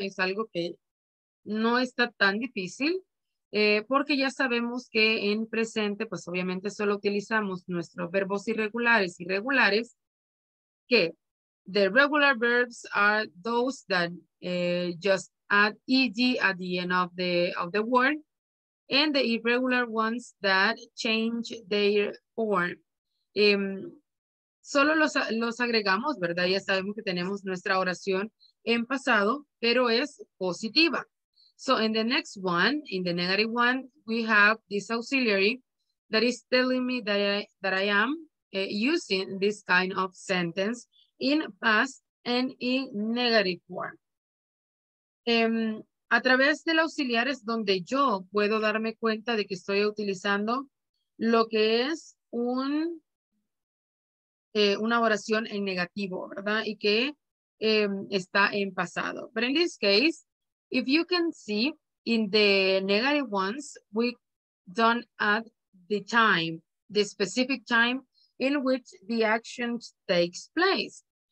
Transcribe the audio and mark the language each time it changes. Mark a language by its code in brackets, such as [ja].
[es] Es algo que no está tan difícil porque ya sabemos que en presente, pues obviamente solo utilizamos nuestros verbos irregulares, irregulares. [en] Okay, the regular verbs are those that just add ed at the end of the word, and the irregular ones that change their form. [es] Solo los agregamos, ¿verdad? Ya sabemos que tenemos nuestra oración en pasado, pero es positiva. [en] So in the next one, in the negative one, we have this auxiliary that is telling me that I am using this kind of sentence in past and in negative form. [es] A través del auxiliar es donde yo puedo darme cuenta de que estoy utilizando lo que es una oración en negativo, ¿verdad? Y que está en pasado. [en] But in this case, if you can see, in the negative ones, we don't add the time, the specific time in which the action takes place.